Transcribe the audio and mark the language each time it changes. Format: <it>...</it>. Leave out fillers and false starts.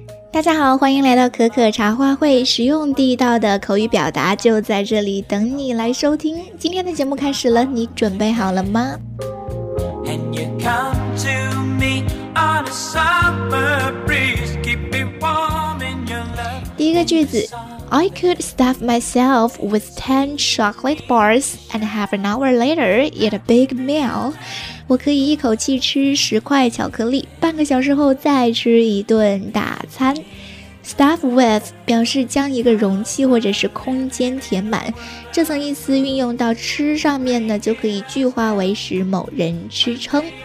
<zh>大家好，欢迎来到可可茶话会，实用地道的口语表达就在这里等你来收听。今天的节目开始了，你准备好了吗？</zh> <en>And you come to me on a summer breeze, keep me warm in your love.</en> <zh>第一个句子，</zh> <en>I could stuff myself with 10 chocolate bars and half an hour later eat a big meal.</en> <zh>我可以一口气吃十块巧克力，半个小时后再吃一顿大餐。 Stuff with 表示将一个容器或者是空间填满，这层意思运用到吃上面呢，就可以具化为使某人吃撑。</zh>